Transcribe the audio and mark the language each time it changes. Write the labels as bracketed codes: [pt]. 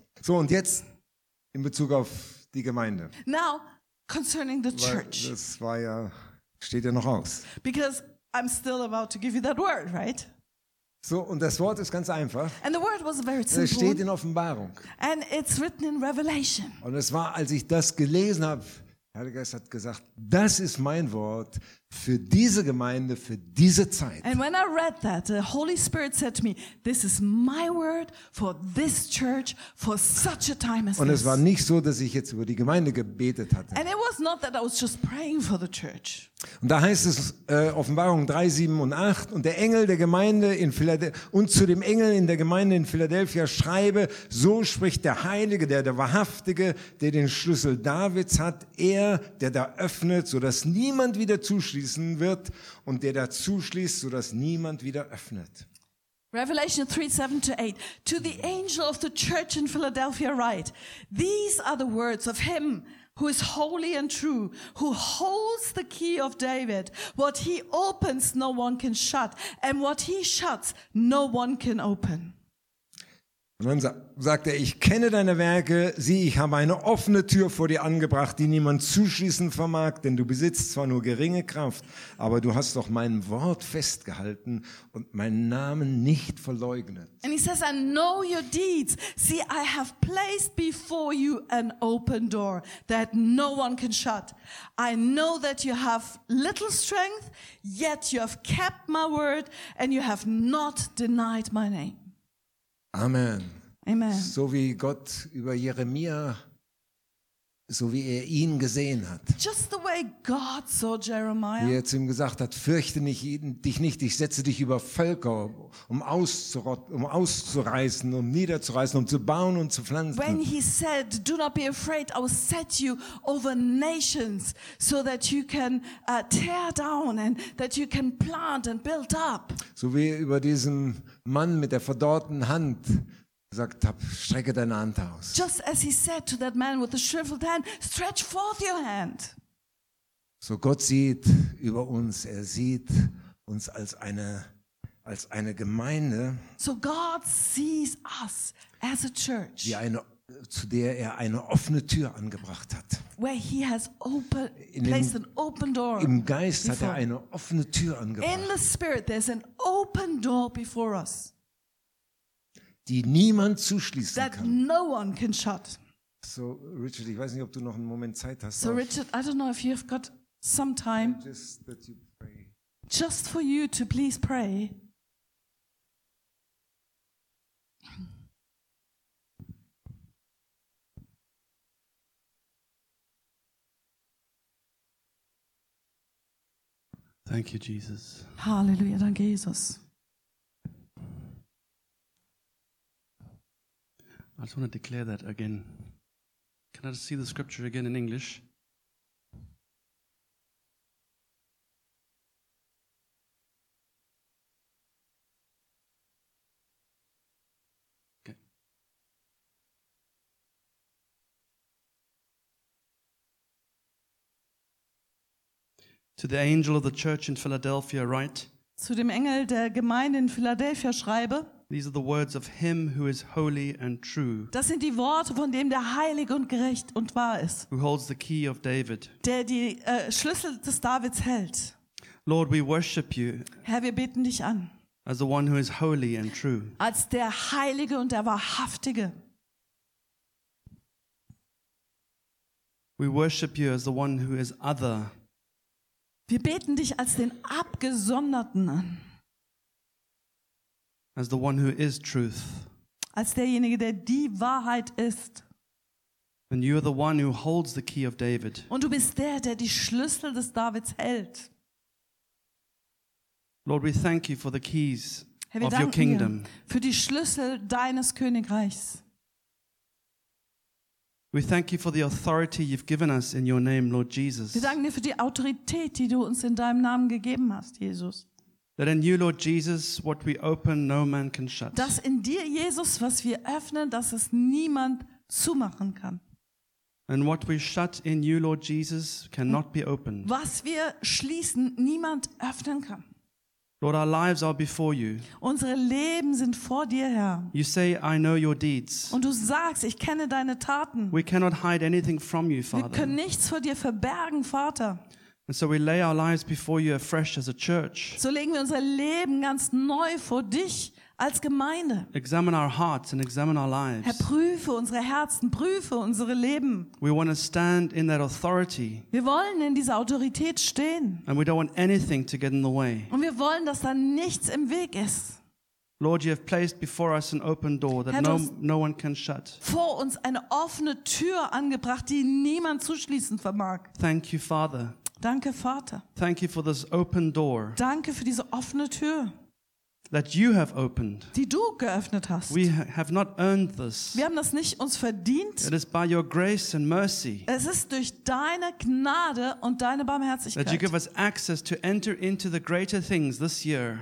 [de] So, und jetzt in Bezug auf die Gemeinde. [en] Now, concerning the church. [de] Steht ja noch aus. [en] Because I'm still about to give you that word, right? [de] So, und das Wort ist ganz einfach. [en] And the word was very simple. [de] Es steht in Offenbarung. [en] And it's written in Revelation. [de] Und es war, als ich das gelesen habe, der Heilige Geist hat gesagt, das ist mein Wort für diese Gemeinde, für diese Zeit. [en] And when I read that, the Holy Spirit said to me, this is my word for this church, for such a time as this. [de] Und es war nicht so, dass ich jetzt über die Gemeinde gebetet hatte. [en] And it was not that I was just praying for the church. [de] Und da heißt es, Offenbarung 3, 7 und 8, und der Engel der Gemeinde in und zu dem Engel in der Gemeinde in Philadelphia schreibe, so spricht der Heilige, der Wahrhaftige, der den Schlüssel Davids hat, er, der da öffnet, sodass niemand wieder zuschließen wird, und der da zuschließt, sodass niemand wieder öffnet. [en] Revelation 3, 7 to 8. To the angel of the church in Philadelphia write, these are the words of him who is holy and true, who holds the key of David. What he opens, no one can shut. And what he shuts, no one can open. [de] Und dann sagt er, ich kenne deine Werke. Sieh, ich habe eine offene Tür vor dir angebracht, die niemand zuschließen vermag. Denn du besitzt zwar nur geringe Kraft, aber du hast doch mein Wort festgehalten und meinen Namen nicht verleugnet. [en] And he says, I know your deeds. See, I have placed before you an open door that no one can shut. I know that you have little strength, yet you have kept my word and you have not denied my name. Amen. Amen. [de] So wie Gott über Jeremia, so wie er ihn gesehen hat. [en] Just the way God saw Jeremiah. [de] Wie er zu ihm gesagt hat, fürchte dich nicht, ich setze dich über Völker, um auszureißen, um niederzureißen, um zu bauen und zu pflanzen. [en] When he said, do not be afraid, I will set you over nations, so that you can tear down and that you can plant and build up. [de] So wie über diesen Mann mit der verdorrten Hand gesagt habe, strecke deine Hand aus. [en] Just as he said to that man with the shriveled hand, stretch forth your hand. [de] So Gott sieht über uns, er sieht uns als eine Gemeinde. [en] So God sees us as a church. [de] Zu der er eine offene Tür angebracht hat. [en] Where he has placed an open door. [de] Im Geist hat er eine offene Tür angebracht. [en] In the spirit there's an open door before us. [de] Die niemand zuschließen [en] that [de] kann. [en] That no one can shut. [de] So Richard, ich weiß nicht, ob du noch einen Moment Zeit hast. [en] So Richard, I don't know if you've got some time. Just that you pray. Just for you to please pray. Thank you, Jesus. [de] Halleluja, danke Jesus. [en] I just want to declare that again. Can I just see the scripture again in English? To the angel of the church in Philadelphia write. [de] Zu dem Engel der Gemeinde in Philadelphia schreibe. [en] These are the words of him who is holy and true. [de] Das sind die Worte von dem, der heilig und gerecht und wahr ist. [en] Who holds the key of David. [de] Der die Schlüssel des Davids hält. [en] Lord, we worship you. [de] Herr, wir beten dich an. [en] As the one who is holy and true. [de] Als der Heilige und der Wahrhaftige. [en] We worship you as the one who is other. [de] Wir beten dich als den Abgesonderten an. [en] As the one who is truth. [de] Als derjenige, der die Wahrheit ist. [en] And you are the one who holds the key of David. [de] Und du bist der, der die Schlüssel des Davids hält. [en] Lord, we thank you for the keys [de] Herr, [en] of your kingdom. [de] Für die Schlüssel deines Königreichs. [en] We thank you for the authority you've given us in your name, Lord Jesus. [de] Wir danken dir für die Autorität, die du uns in deinem Namen gegeben hast, Jesus. [en] That in you, Lord Jesus, what we open, no man can shut. [de] Dass in dir, Jesus, was wir öffnen, dass es niemand zumachen kann. [en] And what we shut in you, Lord Jesus, cannot be opened. [de] Was wir schließen, niemand öffnen kann. [en] Lord, our lives are before you. [de] Unsere Leben sind vor dir, Herr. [en] You say, I know your deeds. [de] Und du sagst, ich kenne deine Taten. [en] We cannot hide anything from you, Father. [de] Wir können nichts vor dir verbergen, Vater. [en] And so we lay our lives before you afresh as a church. [de] So legen wir unser Leben ganz neu vor dich als Gemeinde. [en] Examine our hearts and examine our lives. [de] Herr, prüfe unsere Herzen, prüfe unsere Leben. [en] We want to stand in that authority. [de] Wir wollen in dieser Autorität stehen. [en] And we don't want anything to get in the way. [de] Und wir wollen, dass da nichts im Weg ist. [en] Lord, you have placed before us an open door that no one can shut. [de] Vor uns eine offene Tür angebracht, die niemand zuschließen vermag. [en] Thank you, Father. [de] Danke, Vater. [en] Thank you for this open door. [de] Danke für diese offene Tür. [en] That you have opened. [de] Die du geöffnet hast. [en] We have not earned this. [de] Wir haben das nicht uns verdient. [en] It is by your grace and mercy. [de] Es ist durch deine Gnade und deine Barmherzigkeit. [en] That you give us access to enter into the greater things this year.